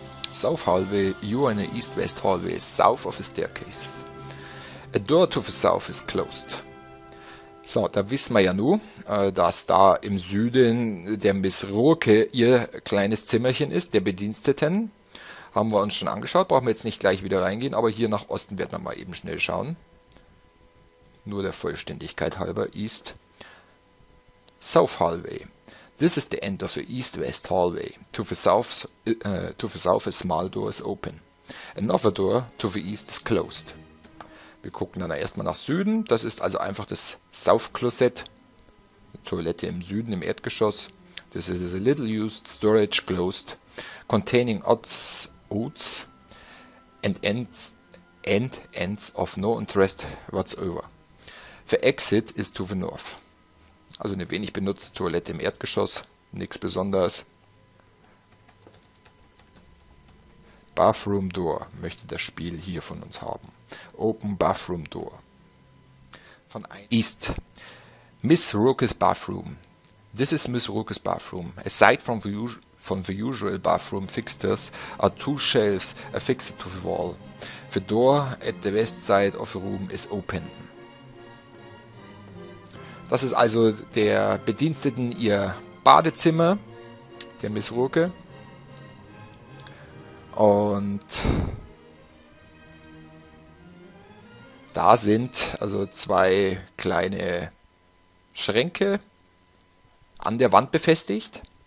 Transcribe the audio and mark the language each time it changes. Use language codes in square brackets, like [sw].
[en] South Hallway, you are in the East-West Hallway, south of a staircase. A door to the south is closed. [de] So, da wissen wir ja nur, dass da im Süden der Miss Rurke ihr kleines Zimmerchen ist, der Bediensteten. Haben wir uns schon angeschaut, brauchen wir jetzt nicht gleich wieder reingehen, aber hier nach Osten werden wir mal eben schnell schauen. Nur der Vollständigkeit halber, [en] East. South Hallway. This is the end of the east-west hallway. To the south, a small door is open. Another door to the east is closed. [de] Wir gucken dann erstmal nach Süden. Das ist also einfach das South-Closet. Toilette im Süden, im Erdgeschoss. [en] This is a little used storage closed, containing odds, oots, and ends of no interest whatsoever. The exit is to the north. [de] Also eine wenig benutzte Toilette im Erdgeschoss, nichts Besonderes. Bathroom Door möchte das Spiel hier von uns haben. [en] Open Bathroom Door. Von East. Miss Rookes Bathroom. This is Miss Rookes Bathroom. Aside from the usual bathroom fixtures are two shelves affixed to the wall. The door at the west side of the room is open. [de] Das ist also der Bediensteten ihr Badezimmer, der Miss Rurke. Und da sind also zwei kleine Schränke an der Wand befestigt.